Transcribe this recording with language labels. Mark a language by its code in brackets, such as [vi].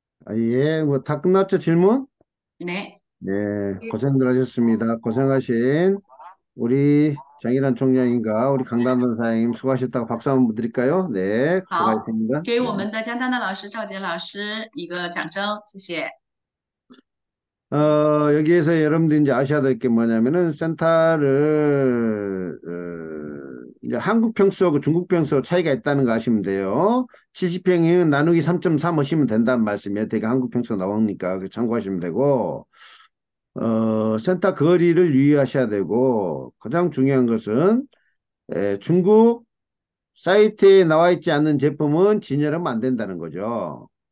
[ko] 예, 뭐다 끝났죠, 질문? 네. 네, 고생들 하셨습니다. 고생하신 우리 장일환 총장님과 우리 강단원 사장님 수고하셨다고 박수 한번 드릴까요? 네, [zh] 好， [ko] 들어가겠습니다. [zh] 给我们的加拿大老师赵杰老师一个掌声，谢谢。 [ko] 여기에서 여러분들이 이제 아셔야 될게 뭐냐면은 센터를 이제 한국 평수하고 중국 평수 차이가 있다는 거 아시면 돼요. 70평이면 나누기 3.3 하시면 된다는 말씀이에요. 되게 한국 평수 나오니까 참고하시면 되고, 센터 거리를 유의하셔야 되고, 가장 중요한 것은 중국 사이트에 나와 있지 않는 제품은 진열하면 안 된다는 거죠.